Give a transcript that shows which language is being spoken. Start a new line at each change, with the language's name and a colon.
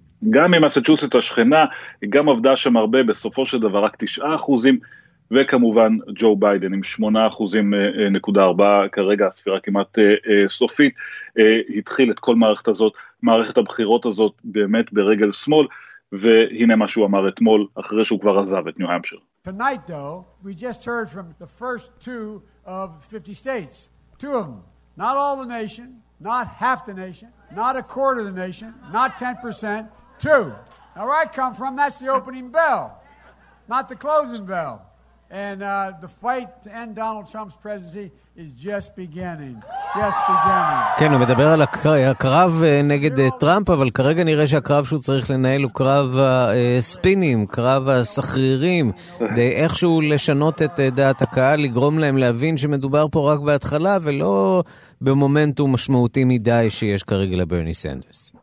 Hebrew: גם ממסצ'וסטס השכנה, גם עבדה שם הרבה, בסופו של דבר רק 9%, וכמובן ג'ו ביידן עם 8.4%, כרגע הספירה כמעט סופית, התחיל את כל מערכת הזאת, מערכת הבחירות הזאת באמת ברגל שמאל, והנה מה שהוא אמר אתמול, אחרי שהוא כבר עזב את ניו-המפשיר.
English: Tonight, though, we just heard from the first two of 50 states, two of them, not all the nation, not half the nation, not a quarter of the nation, not 10%, two. Now where I come from, that's the opening bell, not the closing bell. And the fight to end Donald Trump's presidency is just beginning, just beginning.
Hebrew: כן, הוא מדבר על הקרב נגד טראמפ, אבל כרגע נראה שהקרב שהוא צריך לנהל הוא קרב הספינים, קרב הסחרירים, די איכשהו לשנות את דעת הקהל, לגרום להם להבין שמדובר פה רק בהתחלה, ולא במומנטום משמעותי מדי שיש כרגע לברני סנדרס.